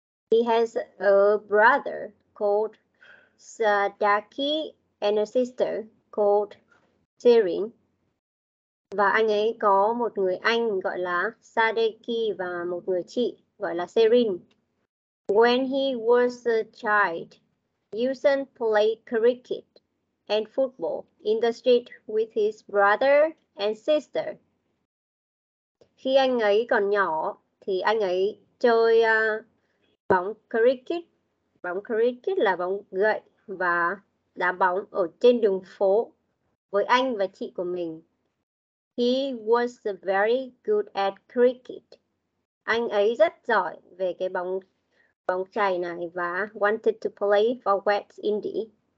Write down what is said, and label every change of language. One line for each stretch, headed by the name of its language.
English: He has a brother called Sadaki and a sister called Sirin.
Vietnamese: Và anh ấy có một người anh gọi là Sadeki và một người chị gọi là Sirin.
English: When he was a child, Yusen played cricket and football in the street with his brother and sister.
Vietnamese: Khi anh ấy còn nhỏ thì anh ấy chơi bóng cricket. Bóng cricket là bóng gậy và đá bóng ở trên đường phố với anh và chị của mình.
English: He was very good at cricket.
Vietnamese: Anh ấy rất giỏi về cái bóng bóng chày này và
English: wanted to play for West Indies.